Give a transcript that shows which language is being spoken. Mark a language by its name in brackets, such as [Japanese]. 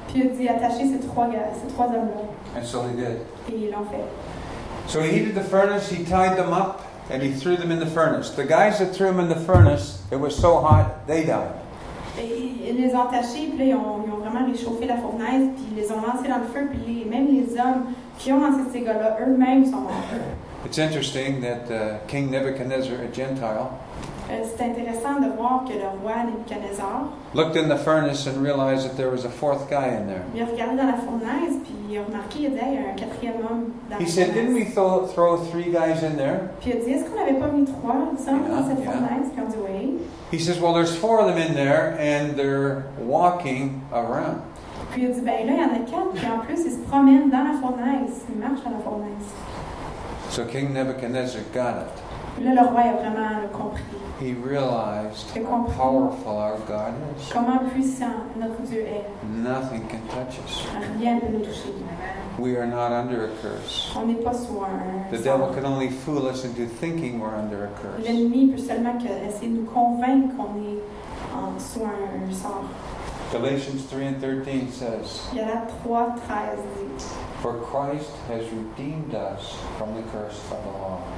[French] Puis il dit, attachez ces trois hommes-là. [English] And so they did. [French] Et ils l'ont fait. [English] So he heated the furnace, he tied them up, and he threw them in the furnace. The guys that threw them in the furnace, it was so hot, they died. [French] Et ils les ont attachés, puis là, ils ont vraiment réchauffé la fournaise, puis ils les ont lancés dans le feu, puis même les hommes qui ont lancé ces gars-là, eux-mêmes sont morts. [English] It's interesting that King Nebuchadnezzar, a Gentile, [French] c'est intéressant de voir que le roi Nebuchadnezzar [English] looked in the furnace and realized that there was a fourth guy in there. [French] Il a regardé dans la fournaise puis il a remarqué qu'il y avait un quatrième homme dans la fournaise. [English] He said, didn't we throw three guys in there? [French] Puis il a dit, est-ce qu'on n'avait pas mis trois hommes dans cette fournaise? Puis on dit, oui. [English] He says, well, there's four of them in there and they're walking around. [French] Puis il a dit, ben là, il y en a quatre puis en plus, ils se promènent dans la fournaise. Ils marchent dans la fournaise. [English] So King Nebuchadnezzar got it. [French] Là, le roi a vraiment compris. [English] He realized how powerful our God is. [French] Comment puissant notre Dieu est. [English] Nothing can touch us. [French] Rien ne peut nous toucher. [English] We are not under a curse. [French] On n'est pas sous un. [English] The devil can only fool us into thinking we're under a curse. [French] L'ennemi peut seulement essayer de nous convaincre qu'on est sous un sort. [English] Galatians 3:13 says. [French] Galates 3:13 dit. [English] For Christ has redeemed us from the curse of the law.